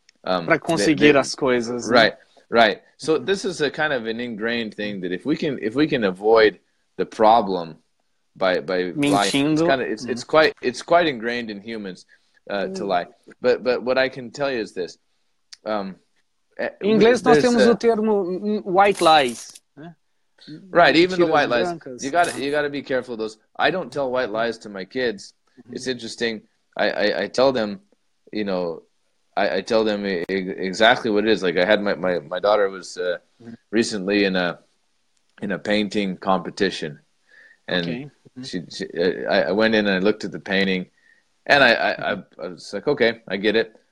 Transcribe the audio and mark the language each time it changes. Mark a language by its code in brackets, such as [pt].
[pt] Para conseguir as coisas. [en] Right, né? Right. So this is a kind of an ingrained thing that if we can avoid the problem by [pt] mentindo, [en] lying, it's quite ingrained in humans to lie. But what I can tell you is this. [pt] Em inglês nós temos o termo white lies. [en] Right, even the white lies. You gotta be careful of those. I don't tell white lies to my kids. It's interesting. I tell them, you know, I tell them exactly what it is. Like I had my daughter was recently in a painting competition, and I went in and I looked at the painting, and I was like, okay, I get it.